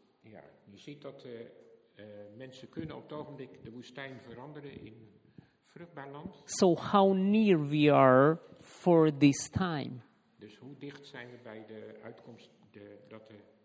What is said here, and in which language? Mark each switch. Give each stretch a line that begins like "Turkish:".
Dutch: Ja, je ziet dat mensen kunnen op het ogenblik de woestijn veranderen in vruchtbaar land.
English: So how near we are for this time?
Dutch: Dus hoe dicht zijn we bij de uitkomst dat er